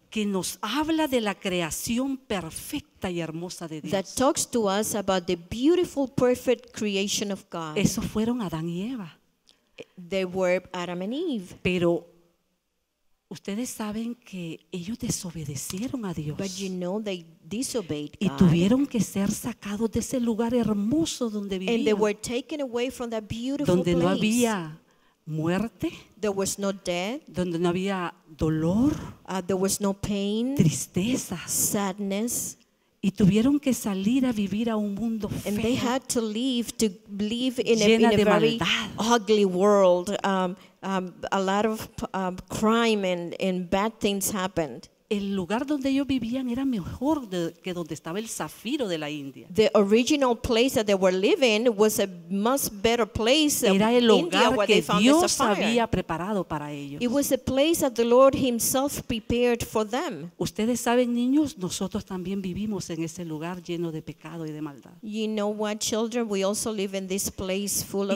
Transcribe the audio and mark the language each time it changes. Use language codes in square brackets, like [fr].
[es] que nos habla de la creación perfecta y hermosa de Dios. [en] That talks to us about the beautiful, perfect creation of God. [es] Esos fueron Adán y Eva. [en] They were Adam and Eve. [es] Pero ustedes saben que ellos desobedecieron a Dios. [en] But you know they disobeyed God. [es] Y tuvieron que ser sacados de ese lugar hermoso donde vivían. [en] And they were taken away from that beautiful place. [es] Donde no había muerte. [en] There was no death. [es] Donde no había dolor. [en] There was no pain. [es] Tristeza. [en] Sadness. [es] Y tuvieron que salir a vivir a un mundo feo. [en] And they had to leave to live in a very [es] maldad. [en] Ugly world. A lot of crime and bad things happened. [es] El lugar donde ellos vivían era mejor que donde estaba el zafiro de la India. [en] The original place that they were living was a much better place. [es] Era el India lugar que Dios había preparado para ellos. [en] It was a place that the Lord himself prepared for them. [es] Ustedes saben, niños, nosotros también vivimos en ese lugar lleno de pecado y de maldad. [en] You know what, children, we also live in this place full of